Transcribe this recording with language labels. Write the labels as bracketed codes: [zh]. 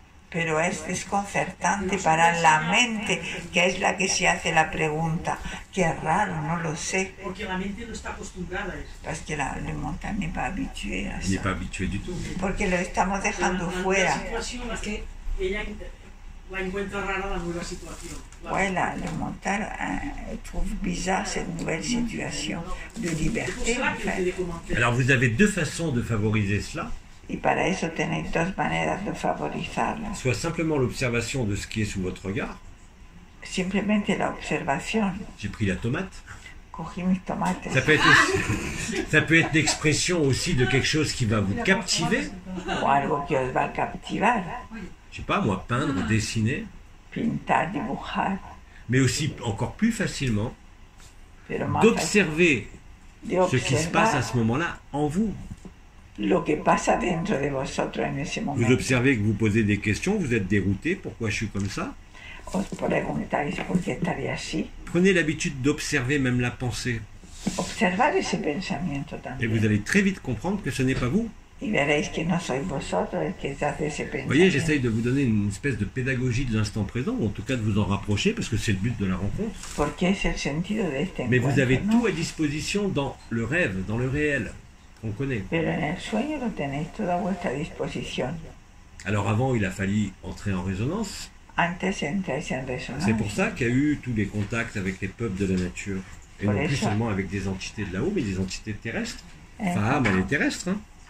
[es] Pero es desconcertante para la mente, que es la que se hace la pregunta. Qué raro, no lo sé. Porque la mente no está acostumbrada a eso. Pues que la mente no está habituada a eso. No está habituada de todo. Porque lo estamos dejando fuera. La situación es que ella la encuentra rara, la nueva situación. [fr] Voilà, le mental trouve bizarre cette nouvelle situation de liberté. En fait. Alors vous avez deux façons de favoriser cela. Et pour ça, vous avez deux manières de favoriser. Soit simplement l'observation de ce qui est sous votre regard. Simplement l'observation. J'ai pris la tomate. [es] Cogí mis tomates. [fr] Ça peut être aussi, ça peut être l'expression aussi de quelque chose qui va vous captiver. [es] Ou algo que os va captivar. [fr] Je sais pas, moi, peindre, dessiner. [es] Pintar, dibujar. [fr] Mais aussi, encore plus facilement, d'observer ce qui se passe à ce moment-là en vous. [es] Lo que pasa dentro de vosotros en ese momento. [fr] Vous observez que vous posez des questions, vous êtes dérouté, pourquoi je suis comme ça? [es] Os preguntáis por qué estaré así. [fr] Prenez l'habitude d'observer même la pensée. [es] Observar ese pensamiento también. [fr] Et vous allez très vite comprendre que ce n'est pas vous. [es] Y veréis que no sois vosotros el que se hace ese pensamiento. [fr] Vous voyez, j'essaye de vous donner une espèce de pédagogie de l'instant présent, ou en tout cas de vous en rapprocher, parce que c'est le but de la rencontre. [es] Porque es el sentido de este encuentro. [fr] Mais vous avez [es] ¿no? [fr] tout à disposition dans le rêve, dans le réel, qu'on connaît. [es] Pero en el sueño lo tenéis toda a vuestra disposición. [fr] Alors avant, il a fallu entrer en résonance. [es] Antes entráis en résonance. [fr] C'est pour ça qu'il y a eu tous les contacts avec les peuples de la nature. Et [es] por non eso, [fr] plus seulement avec des entités de là-haut, mais des entités terrestres. Faham, elle est terrestre, hein.